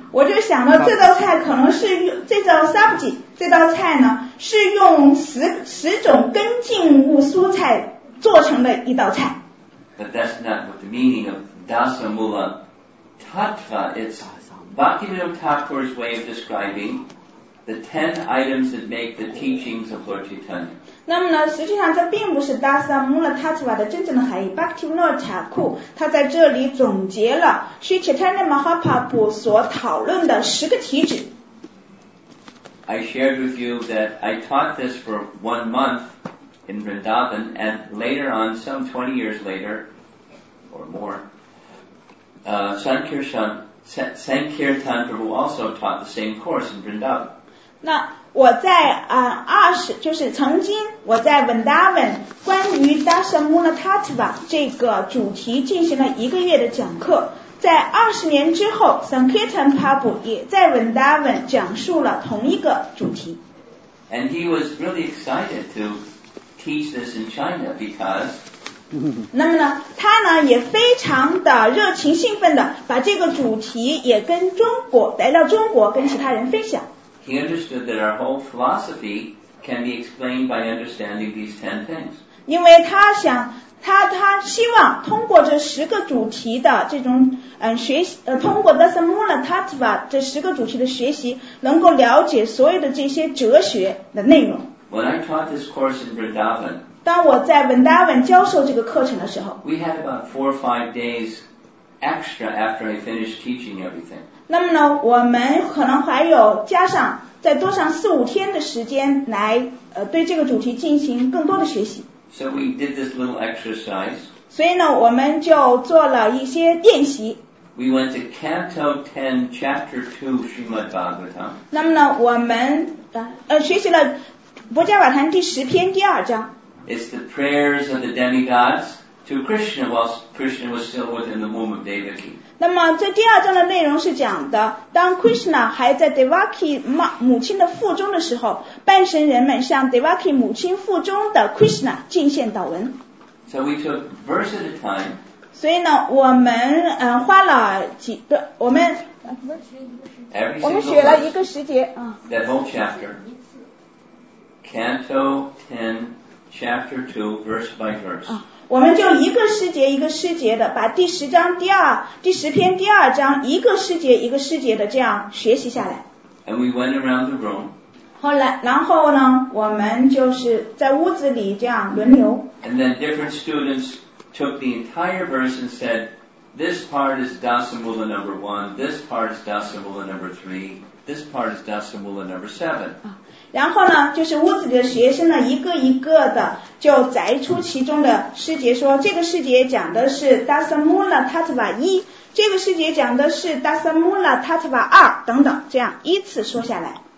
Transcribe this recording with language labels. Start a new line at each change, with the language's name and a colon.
Chinese: 我就想到这道菜可能是这道 sati 这道菜呢是用十种根茎物蔬菜做成的一道菜。
English: But that's not what the meaning of Dasa Mula Tattva. It's Bhaktivinoda Thakur's way of describing the 10 items that make the teachings of Lord Chaitanya.
Chinese: 那么呢，实际上这并不是 Dasa Mula Tattva 的真正的含义。 Bhaktivinoda Thakur 他在这里总结了 Sri Chaitanya Mahaprabhu 所讨论的十个体旨。
English: I shared with you that I taught this for 1 month in Vrindavan, and later on, some 20 years later, or more, Sankirtan Prabhu also taught the same course in Vrindavan.
Chinese: 那我在就是曾经我在 Vrindavan 关于 Dasamunatattva 这个主题进行了一个月的讲课，在20年之后 ，Sankirtan Prabhu 也在 Vrindavan 讲述了同一个主题。
English: And he was really excited to teach this in China because.
Chinese: 那么呢，他呢也非常的热情兴奋的把这个主题也跟中国来到中国跟其他人分享。
English: He understood that our whole philosophy can be explained by understanding these 10 things.
Chinese: 因为他想，他希望通过这十个主题的这种学习，通过 Dasamunatattva 这十个主题的学习，能够了解所有的这些哲学的内容。
English: When I taught this course in Vrindavan,
Chinese: 当我在 Vrindavan 教授这个课程的时候
English: ，We had about 4 or 5 days extra after I finished teaching everything.
Chinese: 那么呢，我们可能还有加上再多上4-5天的时间来对这个主题进行更多的学习。
English: So we did this little exercise.
Chinese: 所以呢，我们就做了一些练习。
English: We went to Canto 10, Chapter 2, Srimad Bhagavatam.
Chinese: 那么呢，我们学习了《博迦瓦坛》10篇第二章。
English: It's the prayers of the demigods to Krishna while Krishna was still within the womb of Devaki.
Chinese: 那么这第二章的内容是讲的当 Krishna 还在 Devaki 母亲的腹中的时候半神人们向 Devaki 母亲腹中的 Krishna 进献祷文
English: So we took verse at a time
Chinese: 所以呢我们花了几个我们
English: Every
Chinese: 我们学了一个时节
English: That whole chapter Canto 10 Chapter 2 Verse by verse
Chinese: 我们就一个师节一个师节的把第十章第二第十篇第二章一个师节一个师节的这样学习下来
English: And we went around the room
Chinese: 后来然后呢我们就是在屋子里这样轮流
English: And then different students took the entire verse and said This part is Dasamula number 1 This part is Dasamula number 3 This part is Dasamula number 7
Chinese: 然后呢就是屋子里的学生呢一个一个的就摘出其中的师节说这个师节讲的是 Dasamunatattva 1这个师节讲的是 Dasamunatattva 2等等这样依次说下来